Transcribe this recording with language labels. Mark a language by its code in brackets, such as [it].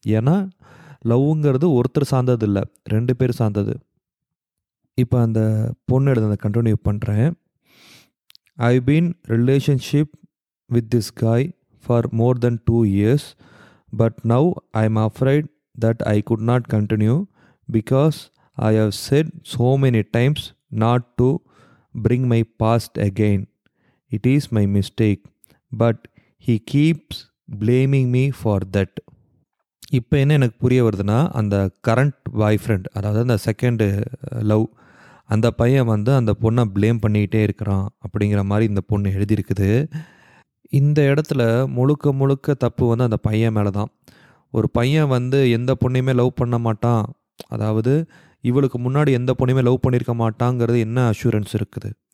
[ta] ஏன்னா லவ்ங்கிறது ஒருத்தர் சார்ந்தது இல்லை, ரெண்டு பேர் சார்ந்தது. இப்போ அந்த பொண்ணு எடுத்து அந்த கண்டினியூ பண்ணுறேன். [en] I've been relationship with this guy for more than 2 years, but now I'm afraid that I could not continue because I have said so many times not to bring my past again. It is my mistake, but he keeps blaming me for that. [ta] இப்போ என்ன எனக்கு புரிய வருதுன்னா, அந்த current boyfriend, அதாவது அந்த second love, அந்த பையன் வந்து அந்த பொண்ணை ப்ளேம் பண்ணிக்கிட்டே இருக்கிறான் அப்படிங்கிற மாதிரி இந்த பொண்ணு எழுதியிருக்குது. இந்த இடத்துல முழுக்க முழுக்க தப்பு வந்து அந்த பையன் மேலே தான். ஒரு பையன் வந்து எந்த பொண்ணையுமே லவ் பண்ண மாட்டான், அதாவது இவளுக்கு முன்னாடி எந்த பொண்ணையுமே லவ் பண்ணியிருக்க மாட்டாங்கிறது என்ன அஷூரன்ஸ் இருக்குது?